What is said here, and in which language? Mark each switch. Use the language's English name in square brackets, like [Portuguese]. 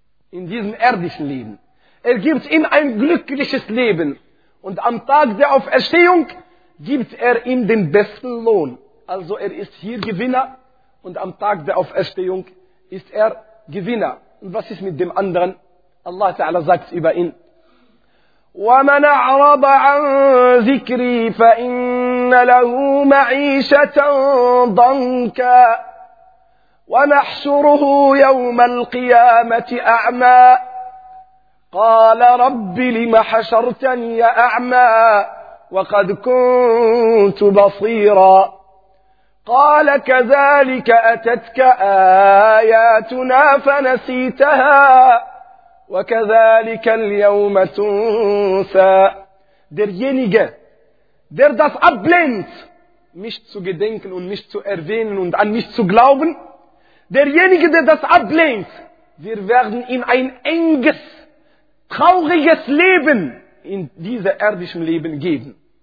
[German] In diesem irdischen Leben. Er gibt ihm ein glückliches Leben. Und am Tag der Auferstehung gibt er ihm den besten Lohn. Also er ist hier Gewinner und am Tag der Auferstehung ist er Gewinner. Und was ist mit dem anderen? Allah Ta'ala sagt über ihn: [Arabic] ومن أعرض عن ذكري فإن له معيشة ضنكا ونحشره يوم القيامة أعمى قال رب لم حشرتني أعمى وقد كنت بصيرا قال كذلك أتتك آياتنا فنسيتها وكذلك اليوم تنسى. [German] Derjenige, der das ablehnt, mich zu gedenken und mich zu erwähnen und an mich zu glauben, derjenige, der das ablehnt, wir werden ihm ein enges, trauriges Leben in diesem irdischen Leben geben.